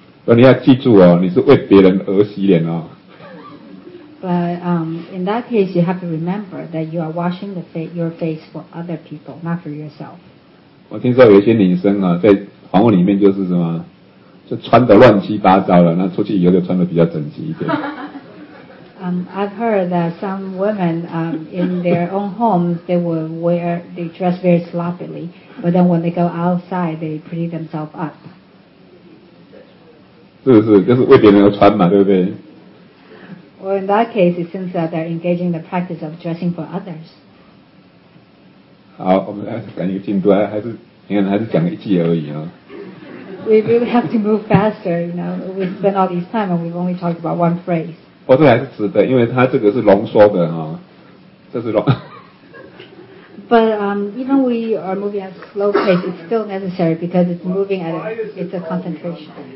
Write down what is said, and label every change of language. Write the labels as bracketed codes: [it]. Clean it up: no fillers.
[zh] 你要记住哦，你是为别人而洗脸哦。 [en] But in that case, you have to remember that you are washing the face, your face for other people, not for yourself. [zh] 我听说有些女生啊，在房屋里面就是什么，就穿得乱七八糟了，那出去以后就穿得比较整齐一点。 [en] I've heard that some women in their own homes they dress very sloppily, but then when they go outside they pretty themselves up. [zh] 是不是就是为别人而穿嘛，对不对？ [en] Well, in that case, it seems that they're engaging the practice of dressing for others. [zh] 好，我们来赶紧进度，还是讲一句而已啊。 [en] We really have to move faster, you know. We spend all this time and we've only talked about one phrase. [zh] 我这还是值得，因为它这个是浓缩的哈、哦，这是浓。 [en] But even we are moving at slow pace, it's still necessary because it's moving at it's a concentration.